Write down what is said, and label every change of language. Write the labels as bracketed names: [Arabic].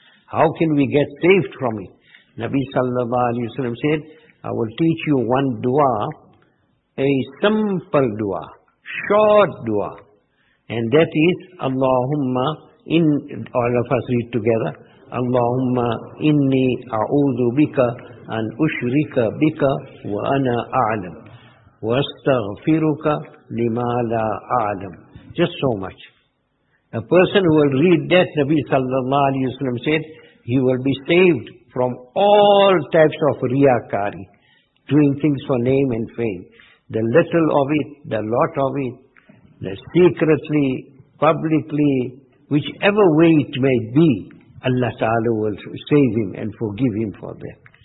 [English] How can we get saved from it? Nabi sallallahu alayhi wa sallam said, I will teach you one dua, a simple dua, short dua. And that is, Allahumma, in all of us read together, [Arabic] اللهم إني أعوذ بك أن أشرك بك وأنا أعلم وأستغفرك لما لا أعلم. [English] Just so much. A person who will read that, Nabi sallallahu alayhi wa sallam said, he will be saved from all types of riyakari, doing things for name and fame. The little of it, the lot of it, the secretly, publicly, whichever way it may be, Allah Ta'ala will save him and forgive him for that.